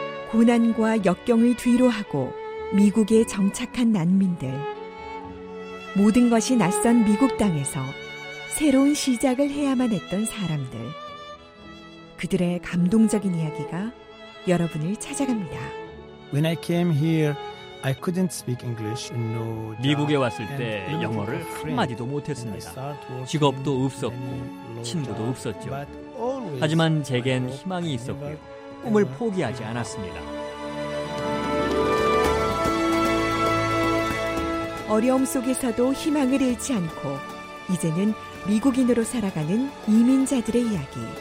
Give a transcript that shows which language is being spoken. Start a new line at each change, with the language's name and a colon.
Korean: 고난과 역경을 뒤로하고 미국에 정착한 난민들. 모든 것이 낯선 미국 땅에서 새로운 시작을 해야만 했던 사람들. 그들의 감동적인 이야기가 여러분을 찾아갑니다.
English: When I came here, I couldn't speak English and no job.
Korean: 미국에 왔을 때 영어를 한마디도 못했습니다. 직업도 없었고 친구도 없었죠. 하지만 제겐 희망이 있었고 꿈을 포기하지 않았습니다. 어려움 속에서도 희망을 잃지 않고 이제는 미국인으로 살아가는 이민자들의 이야기.